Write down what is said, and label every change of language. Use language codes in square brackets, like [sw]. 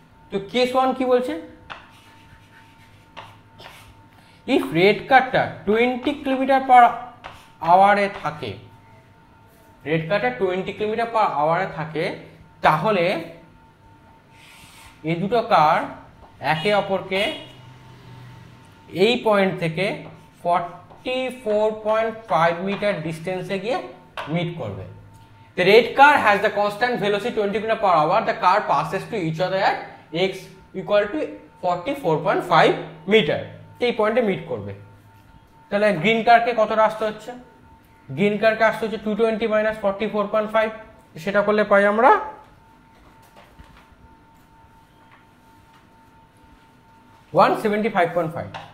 [bn] তো case one কি বলছে, ইফ রেড কারটা 20 কিলোমিটার পার আওয়ারে থাকে, রেড কারটা 20 কিলোমিটার পার আওয়ারে থাকে, তাহলে এই দুটো কার একে অপরকে এই পয়েন্ট থেকে 44.5 মিটার ডিস্টেন্সে গিয়ে মিট করবে। [en] The red car has the constant velocity 20 km per hour. The car passes to each other at x equal to 44.5 meter. [bn] এই পয়েন্টে মিট করবে। তাহলে গ্রিন কারকে কত আসতে হচ্ছে? গ্রিন কারকে আসতে হচ্ছে 220 minus 44.5. সেটা করলে পাই আমরা 175.5.